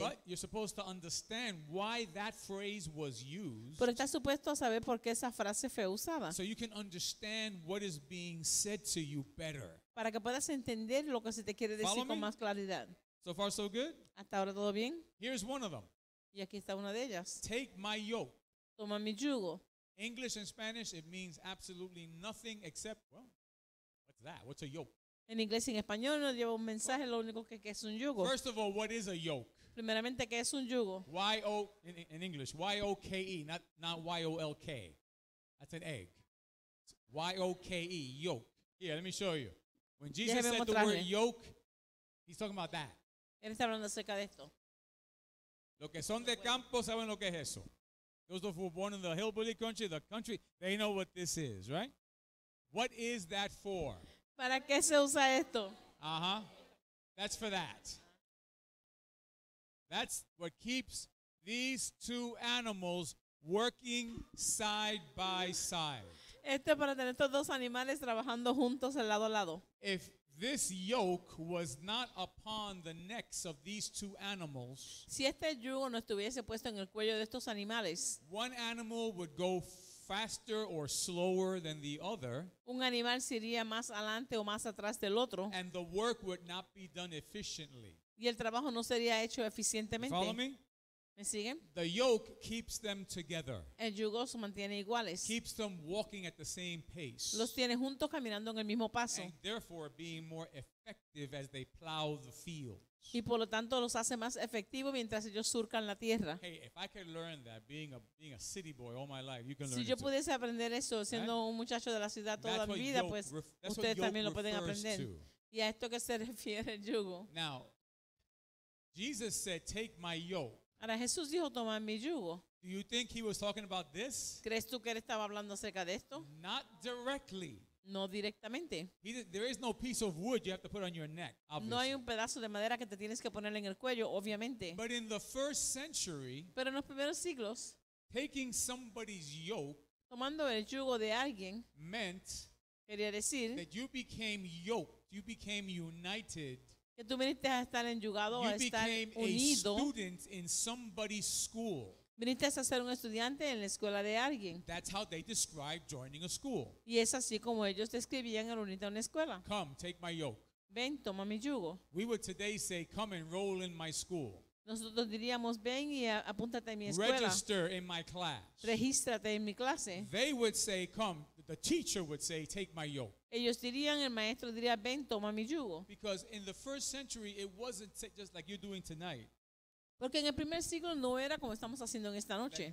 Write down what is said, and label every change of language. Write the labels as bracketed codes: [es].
[en] But you're supposed to understand why that phrase was used. [es] Pero estás supuesto a saber por qué esa frase fue usada. [en] So you can understand what is being said to you better. [es] Para que puedas entender lo que se te quiere decir [en] Follow [es] con [en] me? [es] Más claridad. [en] So far so good? [es] Hasta ahora todo bien. [en] Here's one of them. [es] Y aquí está una de ellas. [en] Take my yoke. [es] Toma mi yugo. [en] English and Spanish, it means absolutely nothing except, well, that? What's a yoke? [es] En inglés y en español no lleva un mensaje, lo único que es un yugo. [en] First of all, what is a yoke? [es] Primeramente, ¿qué es un yugo? [en] Y-O, in English, Y-O-K-E, not Y-O-L-K. That's an egg. Y-O-K-E, yoke. Here, let me show you. When Jesus [es] Déjeme [en] said [es] mostrarle. [en] The word yoke, he's talking about that. [es] Él está hablando acerca de esto. Lo que son de campo saben lo que es eso. [en] Those of who were born in the hillbilly country, the country, they know what this is, right? What is that for? [es] ¿Para qué se usa esto? [en] Uh-huh. That's for that. That's what keeps these two animals working side by side. [es] Esto es para tener estos dos animales trabajando juntos al lado a lado. [en] If this yoke was not upon the necks of these two animals, [es] si este yugo no estuviese puesto en el cuello de estos animales, [en] one animal would go faster or slower than the other. [es] Un animal sería más adelante o más atrás del otro. [en] And the work would not be done efficiently. [es] Y el trabajo no sería hecho eficientemente. [en] You follow me? [es] ¿Me siguen? [en] The yoke keeps them together. [es] El yugo se mantiene iguales. [en] Keeps them walking at the same pace. [es] Los tiene juntos caminando en el mismo paso. [en] And therefore being more effective as they plow the field. [es] Y por lo tanto los hace más efectivos mientras ellos surcan la tierra. [en] Hey, if I could learn that being a city boy all my life, you can learn [es] it. Si yo pudiese aprender eso siendo un muchacho de la ciudad toda mi vida, pues ustedes también lo pueden aprender. Y a esto que se refiere el yugo. [en] Now, Jesus said, "Take my yoke." [es] Ahora Jesús dijo, "Toma mi yugo." [en] Do you think he was talking about this? [es] ¿Crees tú que él estaba hablando acerca de esto? [en] Not directly. [es] No directamente. [en] There is no piece of wood you have to put on your neck, obviously. [es] No hay un pedazo de madera que te tienes que poner en el cuello, obviamente. [en] But in the first century, [es] pero en los primeros siglos, [en] taking somebody's yoke, [es] tomando el yugo de alguien, [en] meant, [es] quería decir, [en] that you became yoked, you became united. [es] Que tú viniste a estar enyugado, a estar unido. [en] You became a student in somebody's school. [es] Viniste a ser un estudiante en la escuela de alguien. [en] That's how they describe joining a school. [es] Y es así como ellos describían el unirte a una escuela. [en] Come, take my yoke. [es] Ven, toma mi yugo. [en] We would today say, come enroll in my school. [es] Nosotros diríamos, ven y apúntate a mi escuela. [en] Register in my class. [es] Regístrate en mi clase. [en] They would say, come. The teacher would say, take my yoke. [es] Ellos dirían, el maestro diría, ven, toma mi yugo. [en] Because in the first century, it wasn't just like you're doing tonight. [es] Porque en el primer siglo no era como estamos haciendo en esta noche.